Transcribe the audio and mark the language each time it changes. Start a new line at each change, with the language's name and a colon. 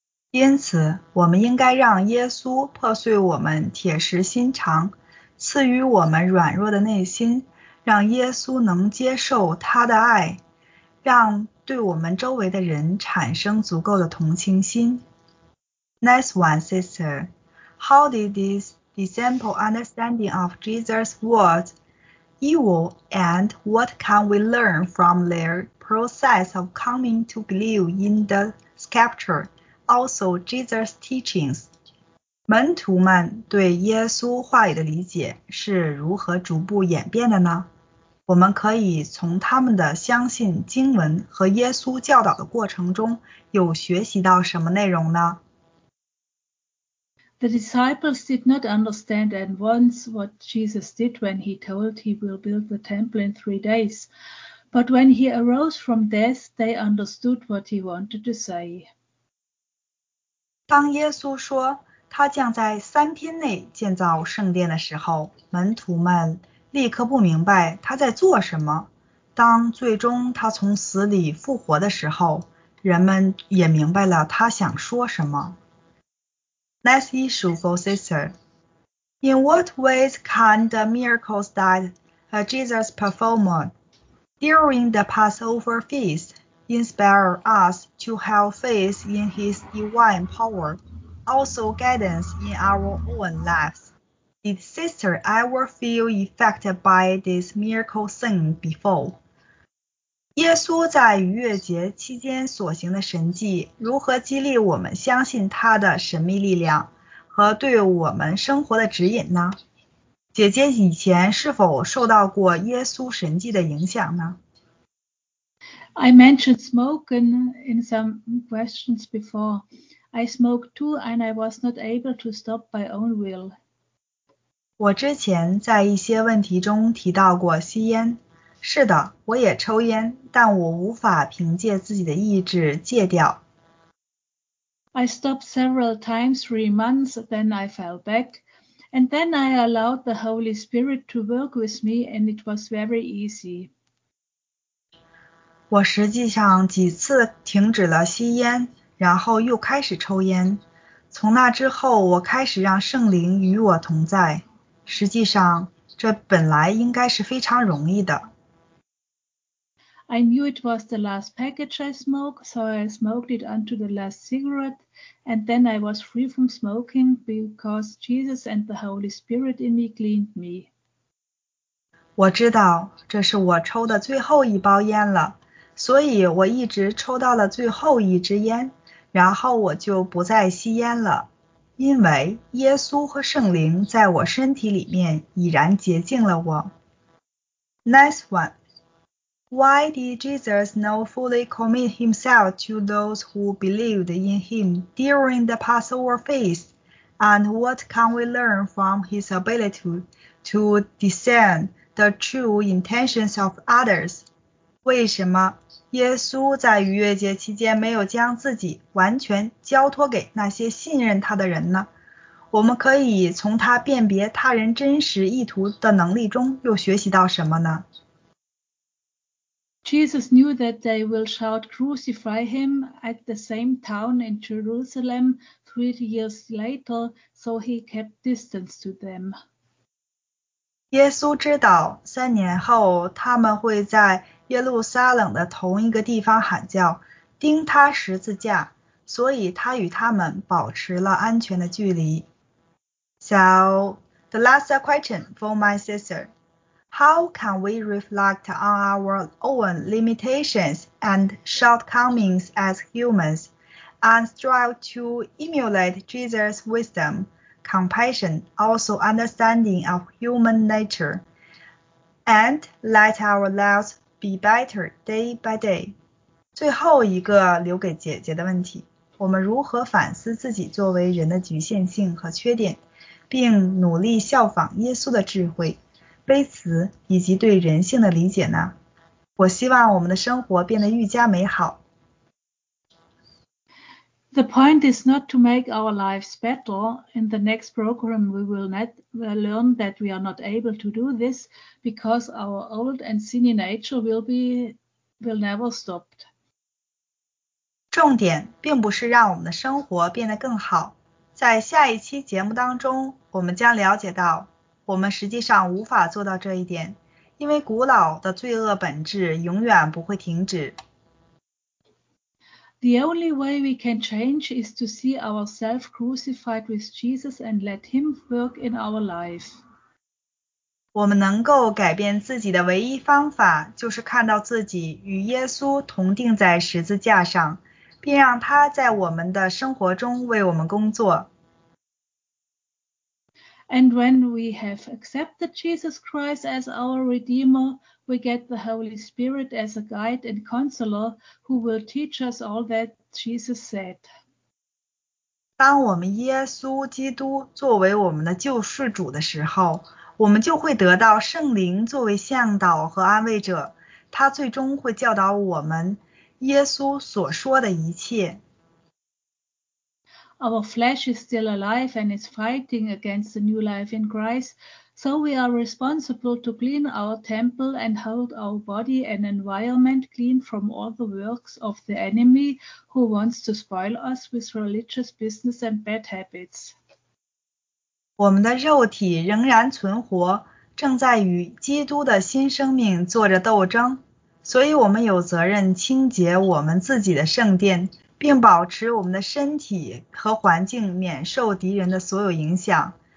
Chinese: 因此，我们应该让耶稣破碎我们铁石心肠，赐予我们软弱的内心，让耶稣能接受他的爱，让对我们周围的人产生足够的同情心。
English: Next one, sister. How did this disciple understanding of Jesus' words evil and what can we learn from their process of coming to believe in the scripture, also Jesus' teachings?
Chinese: 门徒们对耶稣话语的理解是如何逐步演变的呢？我们可以从他们的相信经文和耶稣教导的过程中有学习到什么内容呢？
English: The disciples did not understand at once what Jesus did when he told he will build the temple in 3 days. But when he arose from death, they understood what he wanted to say.
Chinese: 当耶稣说他将在三天内建造圣殿的时候，门徒们立刻不明白他在做什么。当最终他从死里复活的时候，人们也明白了他想说什么。
English: Next issue for sister. In what ways can the miracles that Jesus performed during the Passover feast inspire us to have faith in his divine power, also guidance in our own lives? Did sister ever feel affected by this miracle thing before?
Chinese: 耶稣在逾越节期间所行的神迹，如何激励我们相信他的神秘力量和对我们生活的指引呢？姐姐以前是否受到过耶稣神迹的影响呢？
English: I mentioned smoke in some questions before. I smoked too and I was not able to stop by own will.
Chinese: 我之前在一些问题中提到过吸烟，是的，我也抽烟，但我无法凭借自己的意志戒掉。
English: I stopped several times, 3 months, then I fell back, and then I allowed the Holy Spirit to work with me, and it was very easy.
Chinese: 我实际上几次停止了吸烟，然后又开始抽烟。从那之后，我开始让圣灵与我同在。实际上，这本来应该是非常容易的。
English: I knew it was the last package I smoked, so I smoked it onto the last cigarette, and then I was free from smoking because Jesus and the Holy Spirit in me cleaned me.
Chinese: 我知道这是我抽的最后一包烟了，所以我一直抽到了最后一支烟，然后我就不再吸烟了。因为耶稣和圣灵在我身体里面已然洁净了我。
English: Next one. Why did Jesus not fully commit himself to those who believed in him during the Passover feast? And what can we learn from his ability to discern the true intentions of others?
Chinese: 为什么耶稣在逾越节期间没有将自己完全交托给那些信任他的人呢？我们可以从他辨别他人真实意图的能力中又学习到什么呢？
English: Jesus knew that they will shout crucify him at the same town in Jerusalem 3 years later, so he kept distance to them.
Chinese: 耶稣知道三年后他们会在耶路撒冷的同一个地方喊叫，钉他十字架，所以他与他们保持了安全的距离。
English: So, the last question for my sister. How can we reflect on our own limitations and shortcomings as humans and strive to emulate Jesus' wisdom, compassion, also understanding of human nature, and let our lives be better day by day?
Chinese: 最后一个留给姐姐的问题，我们如何反思自己作为人的局限性和缺点，并努力效仿耶稣的智慧、卑辞以及对人性的理解呢？我希望我们的生活变得愈加美好。
English: The point is not to make our lives better. In the next program, we will learn that we are not able to do this because our old and sinful nature will never stop.
Chinese: 重点并不是让我们的生活变得更好。在下一期节目当中，我们将了解到，我们实际上无法做到这一点，因为古老的罪恶本质永远不会停止。
English: The only way we can change is to see ourselves crucified with Jesus and let Him work in our life.
Chinese: 我们能够改变自己的唯一方法就是看到自己与耶稣同钉在十字架上，并让他在我们的生活中为我们工作。
English: And when we have accepted Jesus Christ as our Redeemer, we get the Holy Spirit as a guide and counselor who will teach us all that Jesus said.
Chinese: 当我们耶稣基督作为我们的救世主的时候，我们就会得到圣灵作为向导和安慰者，他最终会教导我们耶稣所说的一切。
English: Our flesh is still alive and is fighting against the new life in Christ, so we are responsible to clean our temple and hold our body and environment clean from all the works of the enemy who wants to spoil us with religious business and bad habits.
Chinese: 我们的肉体仍然存活，正在与基督的新生命做着斗争，所以我们有责任清洁我们自己的圣殿，并保持我们的身体和环境免受敌人的所有影响。